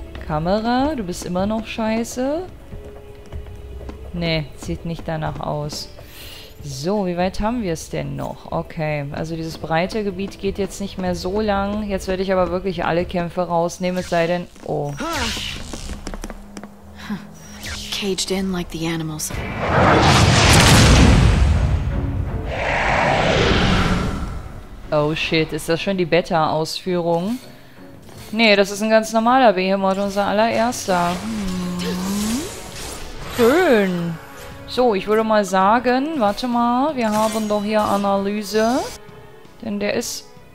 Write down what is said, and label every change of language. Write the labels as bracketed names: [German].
[German] Kamera, du bist immer noch scheiße. Nee, sieht nicht danach aus. So, wie weit haben wir es denn noch? Okay, also dieses breite Gebiet geht jetzt nicht mehr so lang. Jetzt werde ich aber wirklich alle Kämpfe rausnehmen, es sei denn... Oh. [English] Caged in like the animals. [German] Oh shit, ist das schon die Beta-Ausführung? Nee, das ist ein ganz normaler Behemoth, unser allererster. Schön. So, ich würde mal sagen, warte mal, wir haben doch hier Analyse. Denn der ist...